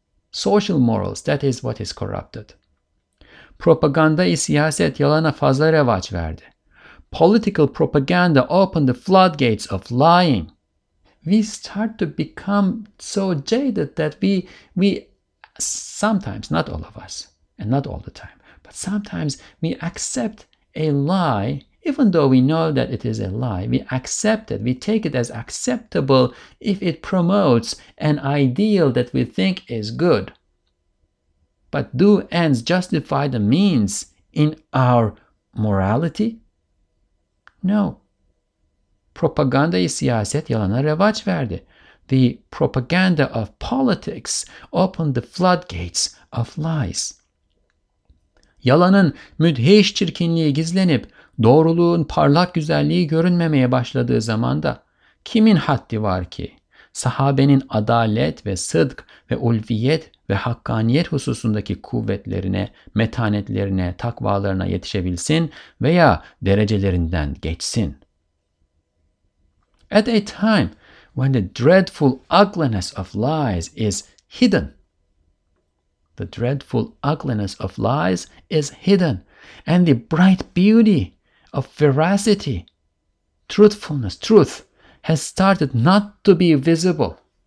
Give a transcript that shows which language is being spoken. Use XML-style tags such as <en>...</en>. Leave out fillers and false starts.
<en>Social morals, that is what is corrupted.</en> <tr>Propaganda-i siyaset yalana fazla revaç verdi.</tr> <en>Political propaganda opened the floodgates of lying. We start to become so jaded that we sometimes, not all of us, and not all the time, but sometimes we accept a lie, even though we know that it is a lie, we accept it, we take it as acceptable if it promotes an ideal that we think is good. But do ends justify the means in our morality? No.</en> <tr>Propaganda-i siyaset yalana revaç verdi.</tr> <en>The propaganda of politics opened the floodgates of lies.</en> <tr>Yalanın müdhiş çirkinliği gizlenip, doğruluğun parlak güzelliği görünmemeye başladığı zamanda, kimin haddi var ki? Sahabenin adalet ve sıdk ve ulviyet ve hakkaniyet hususundaki kuvvetlerine, metanetlerine, takvalarına yetişebilsin veya derecelerinden geçsin.</tr> <en>At a time when the dreadful ugliness of lies is hidden, the dreadful ugliness of lies is hidden, and the bright beauty of veracity, truthfulness, truth, has started not to be visible.</en>